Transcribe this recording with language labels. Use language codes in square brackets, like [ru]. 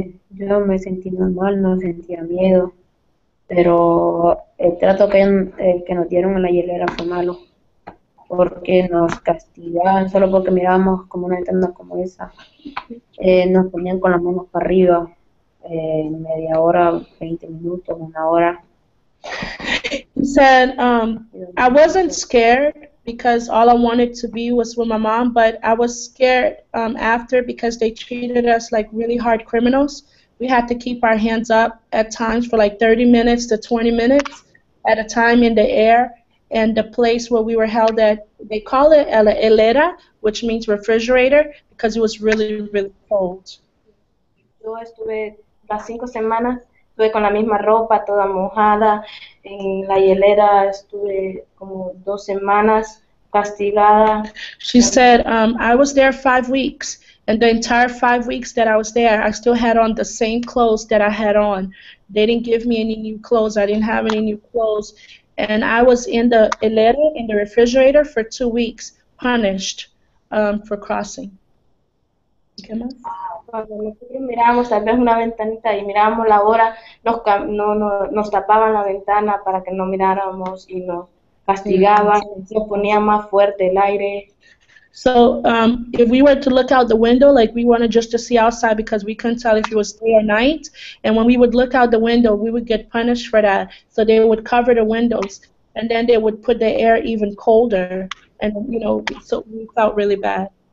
[es] Yo me sentí normal, no sentía miedo, pero el trato que nos dieron en la hielera fue malo, porque nos castigaban solo porque mirábamos como una ventana como esa. Nos ponían con las manos para arriba, media hora, 20 minutos, una hora. [en] Said, I wasn't scared because all I wanted to be was with my mom, but I was scared after because they treated us like really hard criminals. We had to keep our hands up at times for like 30 minutes to 20 minutes at a time in the air, and the place where we were held at, they call it la helera, which means refrigerator, because it was really, really cold. [es] Yo estuve las 5 semanas, estuve con la misma ropa, toda mojada, en la helera estuve como 2 semanas castigada. [en] She said, I was there 5 weeks, and the entire 5 weeks that I was there, I still had on the same clothes that I had on. They didn't give me any new clothes, I didn't have any new clothes, and I was in the helera, in the refrigerator, for 2 weeks, punished for crossing. [es] ¿Qué más? Cuando nosotros mirábamos tal vez una ventanita y mirábamos la hora, nos tapaban la ventana para que no miráramos y nos castigaban, nos ponía más fuerte el aire. [en] So, if we were to look out the window, like we wanted just to see outside because we couldn't tell if it was day or night, and when we would look out the window, we would get punished for that. So they would cover the windows, and then they would put the air even colder, and, you know, so we felt really bad.